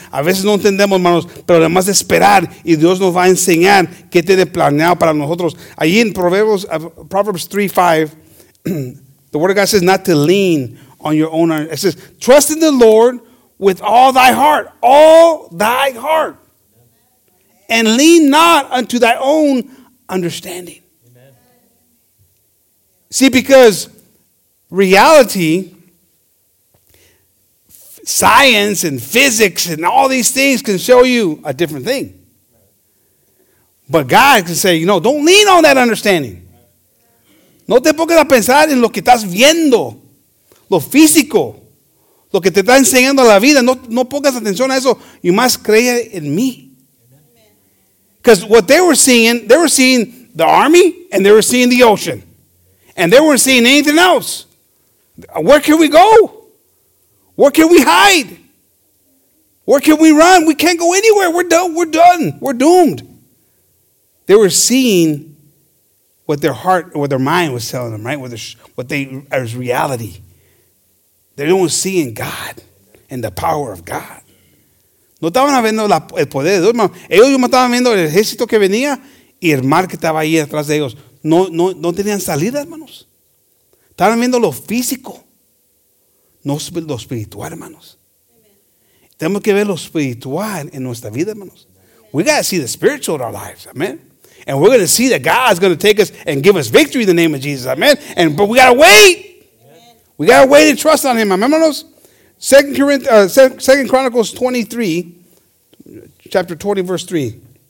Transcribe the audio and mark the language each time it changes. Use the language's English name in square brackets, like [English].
[Spanish] A veces no entendemos, hermanos, pero además de esperar, y Dios nos va a enseñar qué tiene planeado para nosotros. Allí en [English] Proverbs 3:5, the word of God says not to lean on your own. It says, trust in the Lord with all thy heart. All thy heart. And lean not unto thy own understanding. Amen. See, because reality, science and physics and all these things can show you a different thing. But God can say, you know, don't lean on that understanding. [Spanish] No te pongas a pensar en lo que estás viendo, lo físico, lo que te está enseñando la vida. No pongas atención a eso. [English] You must creer in me. Because what they were seeing the army and they were seeing the ocean. And they weren't seeing anything else. Where can we go? Where can we hide? Where can we run? We can't go anywhere. We're done. We're done. We're doomed. They were seeing what their heart, what their mind was telling them, right? What they as reality. They don't see in God and the power of God. [Spanish] No estaban viendo el poder de Dios, hermano. Ellos estaban viendo el ejército que venía y el mar que estaba ahí atrás de ellos. No tenían salida, hermanos. Estaban viendo lo físico. No lo espiritual, hermanos. Amen. Tenemos que ver lo espiritual en nuestra vida, hermanos. Amen. [English] We got to see the spiritual in our lives, amen. And we're going to see that God is going to take us and give us victory in the name of Jesus, amen. But we got to wait. Amen. We got to wait and trust on him, amen, hermanos. 2 Chronicles 23, chapter 20, verse 3.